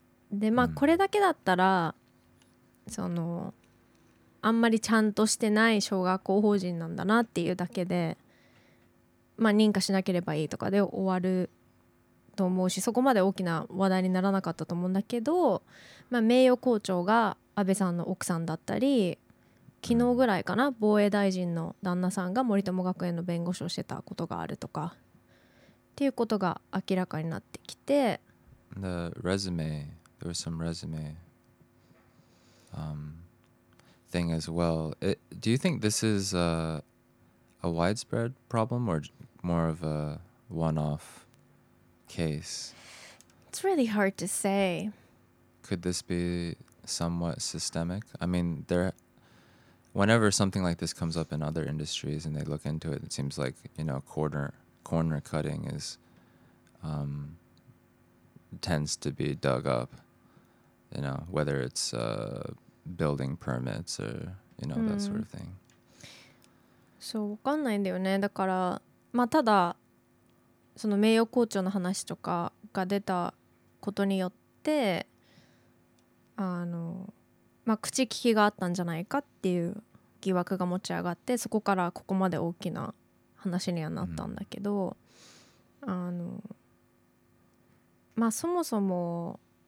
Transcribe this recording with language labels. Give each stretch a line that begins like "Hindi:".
Japanese: で、まあこれだけだったら、そのあんまりちゃんとしてない小学校法人なんだなっていうだけで、まあ認可しなければいいとかで終わると思うし、そこまで大きな話題にならなかったと思うんだけど、まあ名誉校長が安倍さんの奥さんだったり、昨日ぐらいかな、防衛大臣の旦那さんが森友学園の弁護士をしてたことがあるとかっていうことが明らかになってきて、
English: The resumeThere was some resume thing as well. Do you think this is a widespread problem or more of a one-off case? It's really hard to say. Could this be somewhat systemic? I mean, whenever something like this comes up in other industries and they look into it, it seems like, you know, corner cutting is tends to be dug up. You know, whether it's building permits or, you know, that sort of thing.
Japanese: そう、わかんないんだよね。だから、まあ、ただその名誉校長の話とかが出たことによって、まあ、口利きがあったんじゃないかっていう疑惑が持ち上がって、そこからここまで大きな話にはなったんだけど、まあ、そもそも